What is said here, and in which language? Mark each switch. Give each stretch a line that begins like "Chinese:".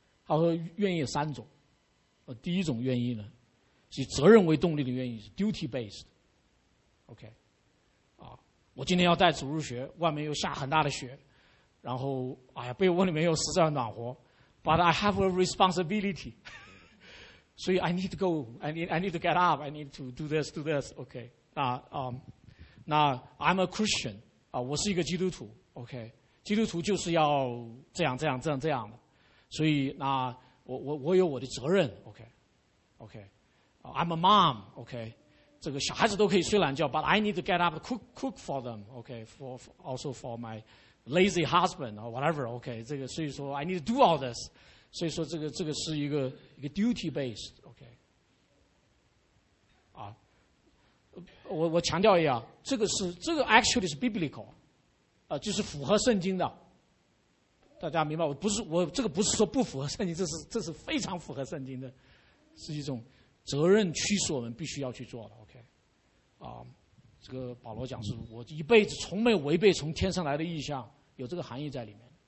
Chinese: 他说愿意有三种，第一种愿意呢是责任为动力的愿意，是 duty based， OK， 我今天要带主日学，外面又下很大的雪，然后哎呀被窝里面又实在暖和，
English: but I have a responsibility，
Chinese: 所以
English: I need to go, I need to get up, I need to do this,
Chinese: OK。
English: 那 I'm a Christian，
Chinese: 我是一个基督徒，
English: OK，
Chinese: 基督徒就是要这样这样这样这样的，所以那我有我的责任，
English: OK， OK， I'm a mom， OK，
Chinese: 这个小孩子都可以睡懒觉，
English: but I need to get up and cook for them， OK， also for my lazy husband or whatever， OK， 这个所以说 I need to do all this。
Chinese: 所以说这个是一个 duty based， OK， 啊，我强调一下，这个 actually 是 biblical， 就是符合圣经的，大家明白？我这个不是说不符合圣经，这是非常符合圣经的，是一种责任驱使我们必须要去做的， OK， 啊，这个保罗讲是我一辈子从没违背从天上来的意象，有这个含义在里面。